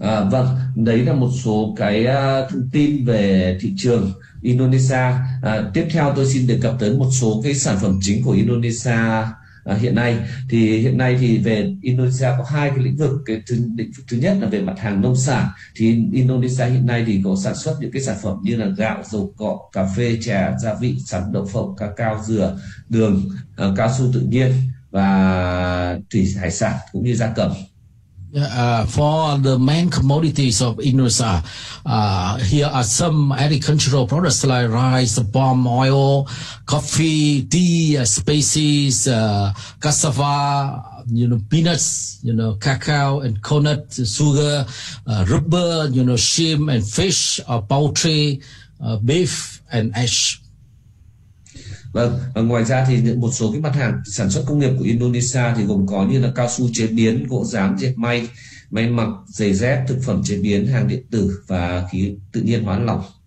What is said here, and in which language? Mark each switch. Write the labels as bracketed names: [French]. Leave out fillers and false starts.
[Vietnamese] Vâng, đấy là một số cái thông tin về thị trường Indonesia. Tiếp theo tôi xin đề cập tới một số cái sản phẩm chính của Indonesia hiện nay. Thì hiện nay thì về Indonesia có hai cái lĩnh vực. Thứ nhất là về mặt hàng nông sản, thì Indonesia hiện nay thì có sản xuất những cái sản phẩm như là gạo, dầu cọ, cà phê, trà, gia vị, sắn, đậu phộng, cacao, dừa, đường, cao su tự nhiên và thủy hải sản cũng như gia cầm. [English] For the main commodities of Indonesia, here are some agricultural products like rice, palm oil, coffee, tea, spices, cassava, you know, peanuts, you know, cacao and coconut, sugar, rubber, you know, shrimp and fish, poultry, beef and ash. [Vietnamese] Vâng, và ngoài ra thì một số cái mặt hàng sản xuất công nghiệp của Indonesia thì gồm có như là cao su chế biến, gỗ rám, dệt may, may mặc, giày dép, thực phẩm chế biến, hàng điện tử và khí tự nhiên hóa lỏng.